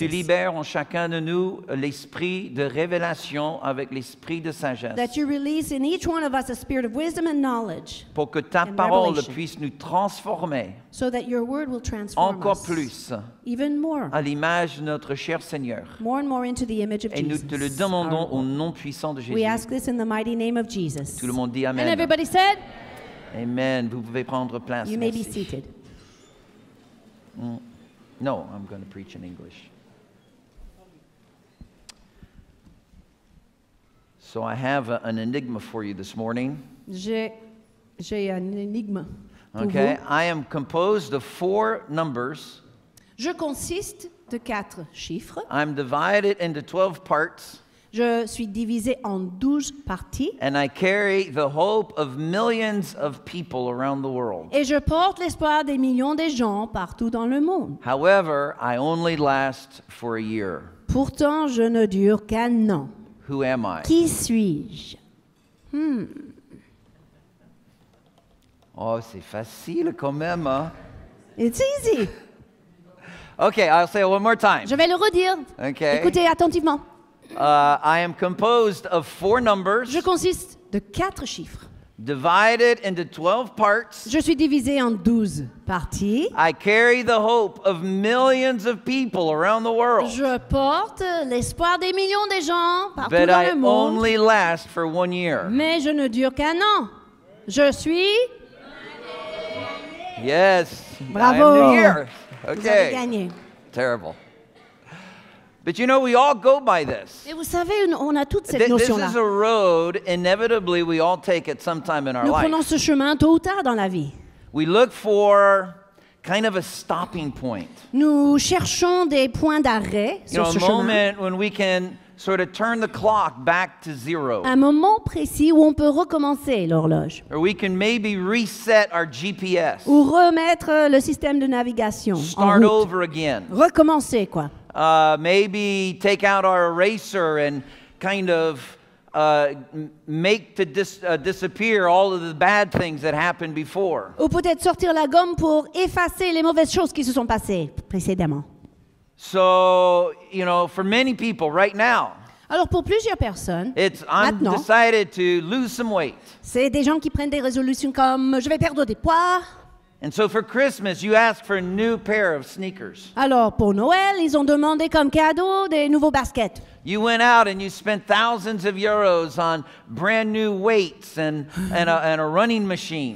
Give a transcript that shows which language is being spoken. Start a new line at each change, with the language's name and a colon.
French: Que tu libères en chacun de nous l'esprit de révélation avec l'esprit de sagesse.
English: That you release in each one of us a spirit of wisdom and knowledge.
French: Pour que ta parole puisse nous transformer.
English: So that your word will transform
French: encore
English: us
French: plus,
English: even more
French: à l'image de notre cher Seigneur,
English: more and more into the image of
French: et
English: Jesus.
French: Nous te le demandons au nom puissant de Jésus.
English: We ask this in the mighty name of Jesus.
French: Tout le monde dit amen.
English: And everybody said,
French: amen. Vous pouvez prendre place.
English: You may be seated. No, I'm going to preach in English. So I have an enigma for you this morning.
French: J'ai un énigme.
English: Okay, I am composed of four numbers.
French: Je consiste de quatre chiffres.
English: I'm divided into 12 parts.
French: Je suis divisé en 12 parties.
English: And I carry the hope of millions of people around the world.
French: Et je porte l'espoir des millions de gens partout dans le monde.
English: However, I only last for a year.
French: Pourtant, je ne dure qu'un an.
English: Who am I?
French: Qui suis-je? Oh, c'est facile quand même, hein?
English: It's easy. Okay, I'll say it one more time.
French: Je vais le redire.
English: Okay.
French: Écoutez attentivement.
English: I am composed of four numbers.
French: Je consiste de quatre chiffres.
English: Divided into 12 parts.
French: Je suis divisé en 12 parties.
English: I carry the hope of millions of people around the world.
French: Je porte l'espoir des millions de gens partout
English: but
French: dans
English: I
French: le monde.
English: Only last for 1 year.
French: Mais je ne dure qu'un an. Je suis.
English: Yes.
French: Bravo.
English: I am here.
French: Okay. Vous avez gagné.
English: Terrible. But you know, we all go by this.
French: Et vous savez, on a toute cette notion-là.
English: This is a road, inevitably, we all take at some time in our
French: life. Nous prenons ce chemin tôt ou tard dans la vie.
English: We look for kind of a stopping point.
French: Nous cherchons des points d'arrêt sur ce chemin.
English: You know, a moment when we can sort of turn the clock back to zero.
French: Un moment précis où on peut recommencer l'horloge.
English: Or we can maybe reset our GPS.
French: Ou remettre le système de navigation en route.
English: Start over again.
French: Recommencer, quoi.
English: Maybe take out our eraser and kind of make to disappear all of the bad things that happened before.
French: Ou peut-être sortir la gomme pour effacer les mauvaises choses qui se sont passées précédemment.
English: So, you know, for many people right now,
French: alors pour plusieurs personnes,
English: it's,
French: maintenant,
English: I'm decided to lose some weight.
French: C'est des gens qui prennent des résolutions comme je vais perdre des poids.
English: And so for Christmas, you ask for a new pair of sneakers.
French: Alors pour Noël, ils ont demandé comme cadeau des nouveaux baskets.
English: You went out and you spent thousands of euros on brand new weights and a running machine.